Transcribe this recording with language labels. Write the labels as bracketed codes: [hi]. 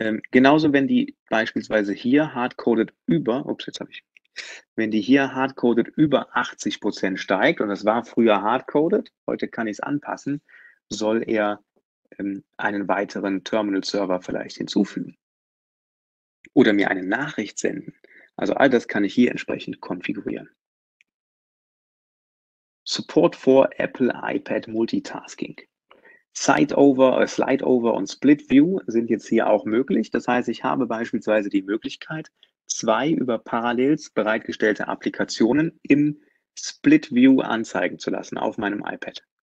[de] Genauso, wenn die beispielsweise hier hardcoded über, ups, jetzt habe ich, wenn die hier hardcoded über 80% steigt und das war früher hardcoded, heute kann ich es anpassen, soll er einen weiteren Terminal-Server vielleicht hinzufügen oder mir eine Nachricht senden. Also all das kann ich hier entsprechend konfigurieren. [en] Support for Apple iPad Multitasking. [de] Slide-Over und Split-View sind jetzt hier auch möglich. Das heißt, ich habe beispielsweise die Möglichkeit, zwei über Parallels bereitgestellte Applikationen im Split-View anzeigen zu lassen auf meinem iPad.